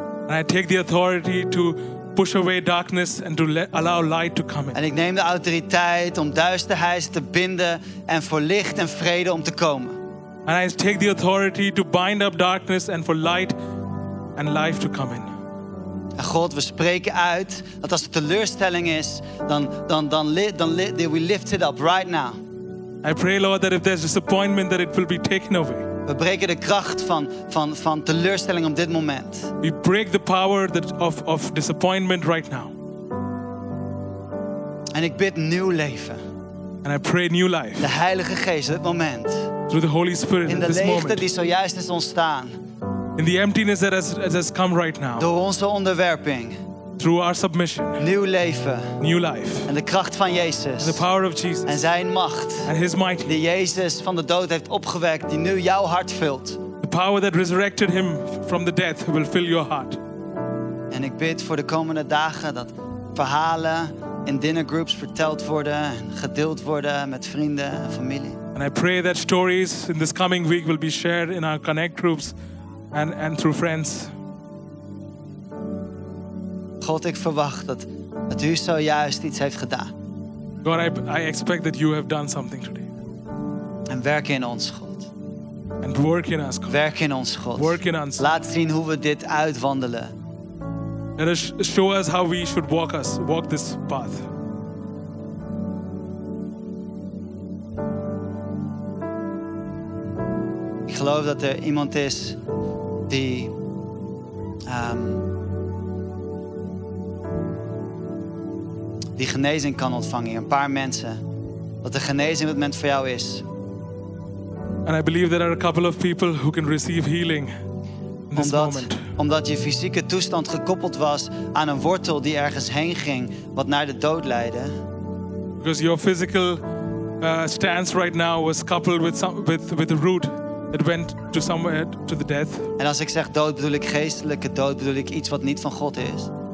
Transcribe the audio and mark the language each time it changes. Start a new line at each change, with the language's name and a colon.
English: And I take the authority to push away darkness and to allow light to come in.
Dutch: En ik neem de autoriteit om duisternis te binden en voor licht en vrede om te komen.
English: And I take the authority to bind up darkness and for light and life to come in.
Dutch: En God, we spreken uit dat als er teleurstelling is,
English: we lift it up right now. I pray, Lord, that if there's disappointment, that it will be taken away.
Dutch: We breken de kracht van teleurstelling op dit moment.
English: We break the power of disappointment right now.
Dutch: En ik bid nieuw leven.
English: And I pray new life.
Dutch: De Heilige Geest op dit moment.
English: Through the Holy Spirit in this moment.
Dutch: In de leegte die zojuist is ontstaan.
English: In the emptiness that has come right now.
Dutch: Door onze onderwerping.
English: Through our submission.
Dutch: Nieuw leven.
English: New life.
Dutch: En de kracht van Jezus.
English: And the power of Jesus.
Dutch: En zijn macht.
English: And his might.
Dutch: Die Jezus van de dood heeft opgewekt, die nu jouw hart vult.
English: The power that resurrected him from the death will fill your heart.
Dutch: En ik bid voor de komende dagen dat verhalen in dinner groups verteld worden en gedeeld worden met vrienden en familie.
English: And I pray that stories in this coming week will be shared in our connect groups. And through friends.
Dutch: God, ik verwacht dat u zojuist iets heeft gedaan.
English: God, I expect that you have done something today.
Dutch: En werk in ons, God.
English: And work in us, God.
Dutch: Werk in ons, God.
English: Work in us.
Dutch: Laat zien hoe we dit uitwandelen.
English: Let us show us how we should walk this path.
Dutch: Ik geloof dat er iemand is die die genezing kan ontvangen. Een paar mensen. Dat de genezing op het moment voor jou is.
English: And I believe there are a couple of people who can receive healing in this
Dutch: omdat,
English: moment.
Dutch: Omdat je fysieke toestand gekoppeld was aan een wortel die ergens heen ging, wat naar de dood leidde.
English: Because your physical stance right now was coupled with the root. It went to somewhere to the death.
Dutch: En als ik zeg dood, bedoel ik geestelijke dood, bedoel ik iets wat niet van God is.